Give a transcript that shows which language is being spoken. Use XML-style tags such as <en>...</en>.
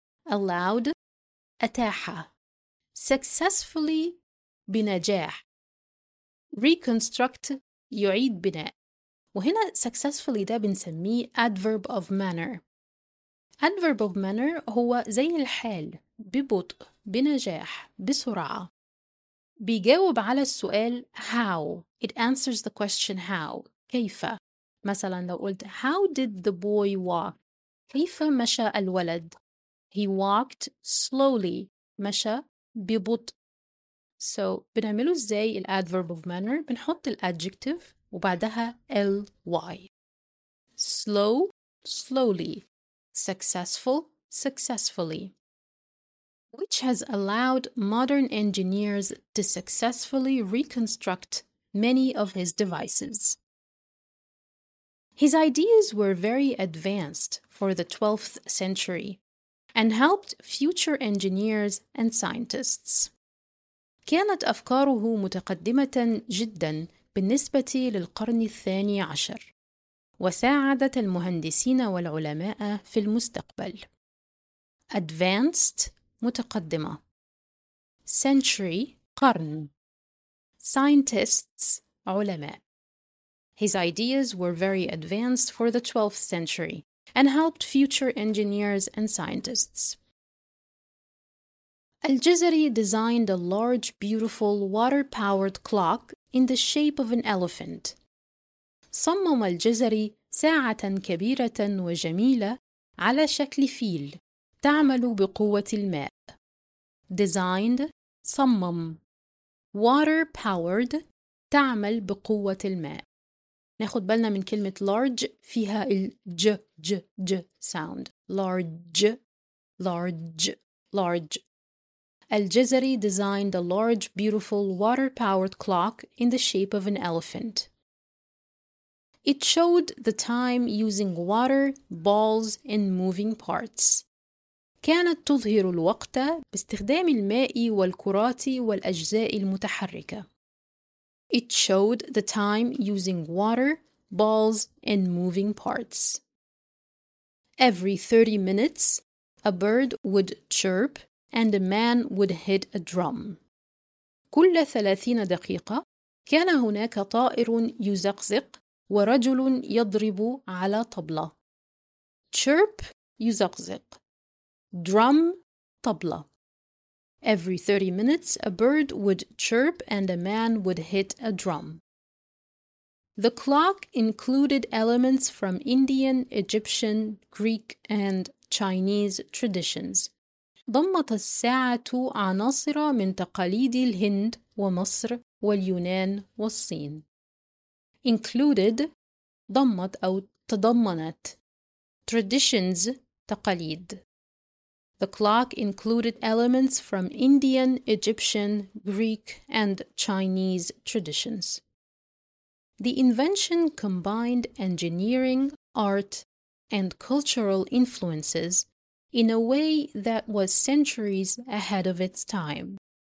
<en>Allowed, أتاح. Successfully, بنجاح.</en> <ar>Reconstruct, يعيد بناء. وهنا successfully ده بنسميه</ar> <en>adverb of manner. Adverb of manner</en> <ar>هو زي الحال، ببطء، بنجاح، بسرعة. بيجاوب على السؤال how.</ar> <en>It answers the question how.</en> <ar>كيف؟ مثلا لو قلت</ar> <en>how did the boy walk؟</en> <ar>كيف مشى الولد؟</ar> <en>He walked slowly.</en> <ar>مشى ببطء. So بنعمله ازاي الـ</ar> <en>adverb of manner؟</en> <ar>بنحط الـ adjective وبعدها ly.</ar> <en>Slow, slowly. Successful, successfully. Which has allowed modern engineers to successfully reconstruct many of his devices. His ideas were very advanced for the 12th century and helped future engineers and scientists.</en> <ar>كانت أفكاره متقدمة جدا بالنسبة للقرن الثاني عشر وساعدت المهندسين والعلماء في المستقبل.</ar> <en>Advanced متقدمة. Century قرن. Scientists علماء. His ideas were very advanced for the 12th century and helped future engineers and scientists. الجزري designed a large beautiful water-powered clock in the shape of an elephant.</en> <ar>صمم الجزري ساعة كبيرة وجميلة على شكل فيل تعمل بقوة الماء.</ar> <en>Designed صمم. Water powered</en> <ar>تعمل بقوة الماء. ناخد بالنا من كلمة large فيها الج ج ج sound.</ar> <en>Large large large. الجزري designed a large beautiful water powered clock in the shape of an elephant. It showed the time using water, balls, and moving parts.</en> <ar>كانت تظهر الوقت باستخدام الماء والكرات والأجزاء المتحركة.</ar> <en>It showed the time using water, balls, and moving parts. Every 30 minutes, a bird would chirp and a man would hit a drum.</en> <ar>كل 30 دقيقة كان هناك طائر يزقزق ورجل يضرب على طبلة.</ar> <en>Chirp يزقزق. Drum طبلة. Every 30 minutes a bird would chirp and a man would hit a drum. The clock included elements from Indian, Egyptian, Greek and Chinese traditions.</en> <ar>ضمت الساعة عناصر من تقاليد الهند ومصر واليونان والصين.</ar> <en>Included</en> <ar>ضمت أو تضمنت traditions تقاليد.</ar> <en>The clock included elements from Indian, Egyptian, Greek, and Chinese traditions. The invention combined engineering, art, and cultural influences in a way that was centuries ahead of its time.</en>